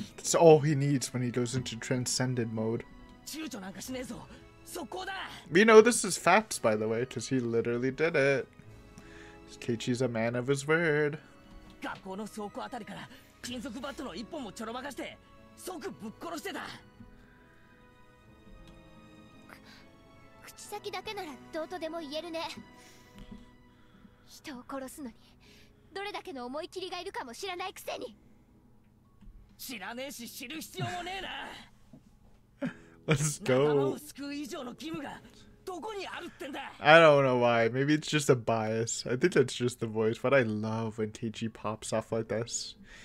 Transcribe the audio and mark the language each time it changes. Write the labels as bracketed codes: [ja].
[en] That's all he needs when he goes into transcendent mode. [ja] 躊躇なんかしねえぞ。速攻だ。 [en] We know this is facts, by the way, because he literally did it. Keiichi's a man of his word. [ja] 学校の倉庫あたりから金属バットの一本もちょろまかして。即ぶっ殺してた。口先だけならどうとでも言えるね。人を殺すのにどれだけの思い切りがいるかも知らないくせに。知らねえし知る必要もねえな。 [en] Let's go。 [ja] 仲間を救う以上の義務がどこにあるってんだ。 [en] I don't know why. Maybe it's just a bias. I think that's just the voice, but I love when Keiichi pops off like this.